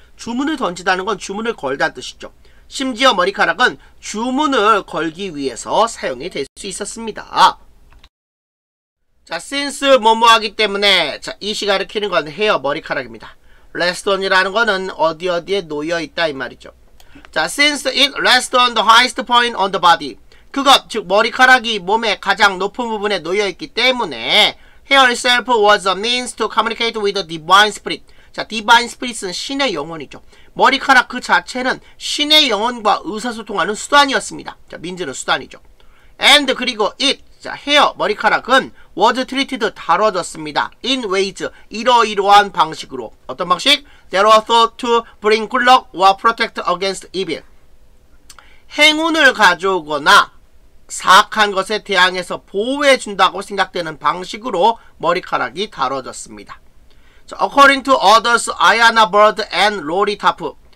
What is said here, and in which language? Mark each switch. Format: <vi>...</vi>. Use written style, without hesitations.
<ko>주문을 던지다는 건 주문을 걸다 뜻이죠. 심지어 머리카락은 주문을 걸기 위해서 사용이 될 수 있었습니다. 자, since 뭐뭐하기 때문에, 자, 이 시간을 키는 건 헤어, 머리카락입니다. rest on이라는 거는 어디 어디에 놓여 있다 이 말이죠.</ko> <en>자, since it rests on the highest point on the body.</en> <ko>그것, 즉 머리카락이 몸의 가장 높은 부분에 놓여 있기 때문에</ko> <en>hair itself was a means to communicate with the divine spirit.</en> <ko>자, divine spirit은 신의 영혼이죠. 머리카락 그 자체는 신의 영혼과 의사소통하는 수단이었습니다. 자, 민지는 수단이죠. And 그리고 it, 자, hair, 머리카락은</ko> <en>was treated,</en> <ko>다뤄졌습니다.</ko> <en>In ways,</en> <ko>이러이러한 방식으로. 어떤 방식?</ko> <en>There were thought to bring good luck or protect against evil.</en> <ko>행운을 가져오거나 사악한 것에 대항해서 보호해준다고 생각되는 방식으로 머리카락이 다뤄졌습니다.</ko> <en>자, according to others, Ayana Bird and Lori Tapp.</en>